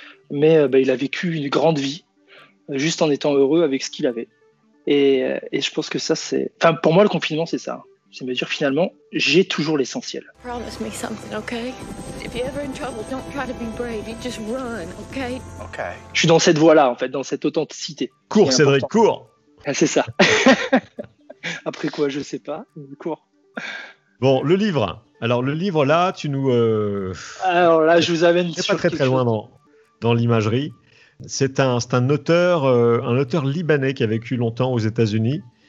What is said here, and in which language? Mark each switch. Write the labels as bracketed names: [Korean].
[French] Mais il a vécu une grande vie, juste en étant heureux avec ce qu'il avait. Et je pense que ça, c'est... Enfin, pour moi, le confinement, c'est ça. C'est me dire, finalement, j'ai toujours l'essentiel. [English] Promise me something, okay? If you're ever in trouble, don't try to be brave. You just run, okay? Okay. [French] Je suis dans cette voie-là, en fait, dans cette authenticité. Cours, Cédric, cours! Ah, c'est ça. Après quoi, je ne sais pas. Cours. Bon, le livre... Alors, le livre, là, tu nous... Alors là, je vous amène sur... C'est pas très, très loin dans l'imagerie. C'est un auteur, un auteur libanais qui a vécu longtemps aux États-Unis.